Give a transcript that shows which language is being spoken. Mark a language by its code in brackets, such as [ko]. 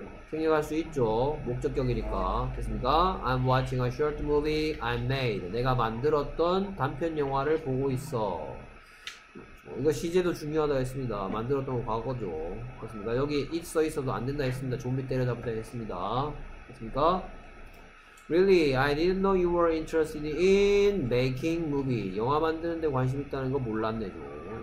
[ko] 생략할 수 있죠. 목적격이니까. 됐습니까? [en] I'm watching a short movie I made. [ko] 내가 만들었던 단편 영화를 보고 있어. 이거 시제도 중요하다 했습니다. 만들었던 건 과거죠. 그렇습니까? 여기 it 써 있어도 안 된다 했습니다. 좀비 때려잡았다 했습니다. 됐습니까? [en] Really, I didn't know you were interested in making movie. [ko] 영화 만드는 데 관심 있다는 거 몰랐네죠.